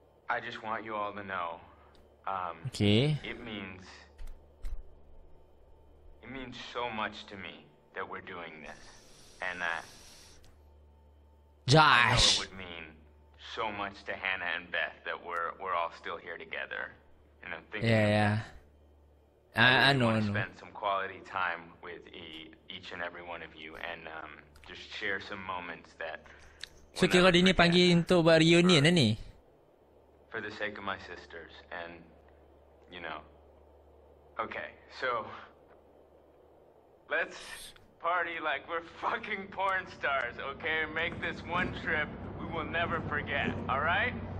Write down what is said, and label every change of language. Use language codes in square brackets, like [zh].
[en] I just want you all to know, okay. It means so much to me that we're doing this, and that Josh, I know it would mean so much to Hannah and Beth that we're all still here together, and I'm thinking. I know. Want to spend some quality time with each and every one of you, and just share some moments that. [ms] So, kira dia ni panggil untuk buat reunion ni. [en] For the sake of my sisters, and you know. Okay, so let's party like we're fucking porn stars, okay? Make this one trip we will never forget, all right?